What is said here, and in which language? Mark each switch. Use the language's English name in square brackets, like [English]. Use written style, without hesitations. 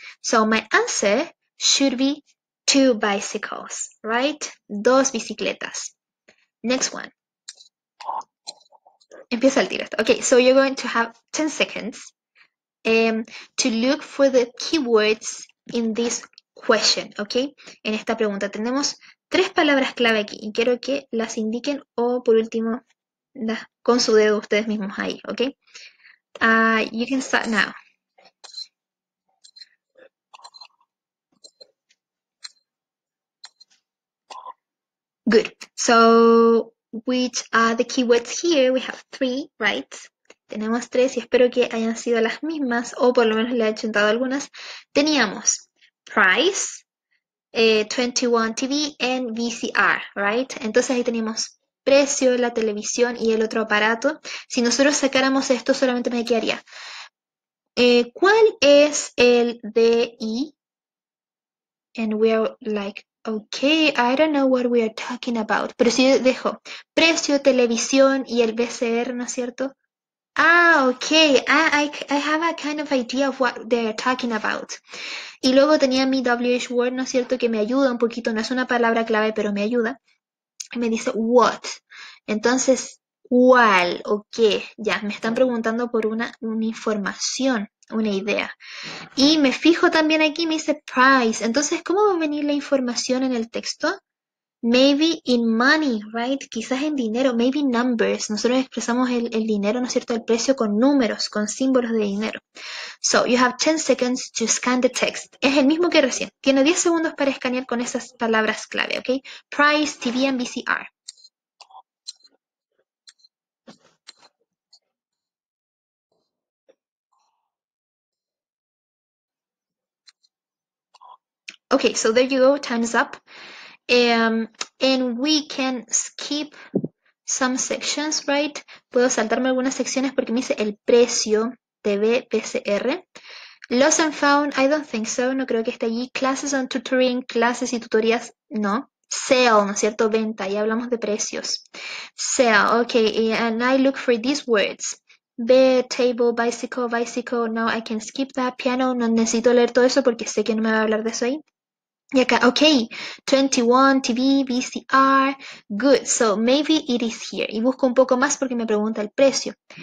[English] So my answer should be two bicycles, right? [Spanish] Dos bicicletas. [English] Next one. [Spanish] Empieza el directo. [English] Okay, so you're going to have 10 seconds to look for the keywords in this question, okay? [Spanish] En esta pregunta tenemos tres palabras clave aquí y quiero que las indiquen o por último con su dedo ustedes mismos ahí, okay? [English] You can start now. Good. So, which are the keywords here? We have three, right? [Spanish] Tenemos tres y espero que hayan sido las mismas o por lo menos le he achuntado algunas. Teníamos price, 21 TV and VCR, right? Entonces ahí teníamos precio, la televisión y el otro aparato. Si nosotros sacáramos esto, solamente me quedaría. ¿Cuál es el DI? [English] And we're like, okay, I don't know what we are talking about. [Spanish] Pero si yo dejo precio, televisión y el VCR, ¿no es cierto? [English] Ah, okay. I have a kind of idea of what they're talking about. [Spanish] Y luego tenía mi WH word, ¿no es cierto? Que me ayuda un poquito. No es una palabra clave, pero me ayuda. Y me dice what. Entonces, ¿cuál o qué? Ya, me están preguntando por una información, una idea. Y me fijo también aquí, me dice price. Entonces, ¿cómo va a venir la información en el texto? [English] Maybe in money, right? [Spanish] Quizás en dinero, [English] maybe numbers. [Spanish] Nosotros expresamos el dinero, ¿no es cierto? El precio con números, con símbolos de dinero. [English] So, you have 10 seconds to scan the text. [Spanish] Es el mismo que recién. Tiene 10 segundos para escanear con esas palabras clave, ¿ok? [English] Price, TV and VCR. Okay, so there you go, time's up. And we can skip some sections, right? [Spanish] Puedo saltarme algunas secciones porque me dice el precio, TV, PCR. [English] Lost and found, I don't think so, [Spanish] no creo que esté allí. [English] Classes and tutoring, [Spanish] clases y tutorías, no. Sale, ¿no es cierto? Venta, ya hablamos de precios. [English] Sale, okay, and I look for these words. Bed, table, bicycle, bicycle, no, I can skip that. [Spanish] Piano, no necesito leer todo eso porque sé que no me va a hablar de eso ahí. Y acá, ok, 21, TV, VCR, [English] good, so maybe it is here. [Spanish] Y busco un poco más porque me pregunta el precio.